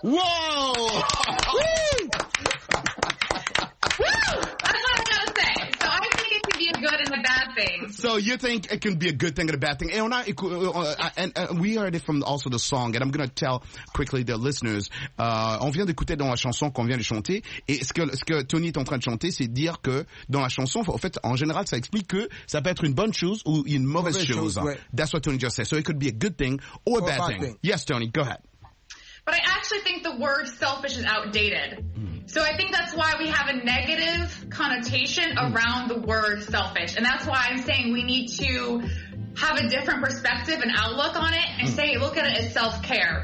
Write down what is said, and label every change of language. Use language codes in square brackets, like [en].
[en] Whoa. Woo. Woo. That's what I got to say. So I think it can be a good and a bad thing. So you think it can be a good thing and a bad thing. And we heard it from also the song. And I'm going to tell quickly the listeners. [fr] On vient d'écouter dans la chanson qu'on vient de chanter. Et ce que Tony est en train de chanter, c'est dire que dans la chanson, en fait, en général, ça explique que ça peut être une bonne chose ou une mauvaise chose. Ouais. [en] That's what Tony just said. So it could be a good thing or a bad thing. Yes, Tony, go ahead. But I actually think the word selfish is outdated. So I think that's why we have a negative connotation around the word selfish. And that's why I'm saying we need to have a different perspective and outlook on it and say, look at it as self-care.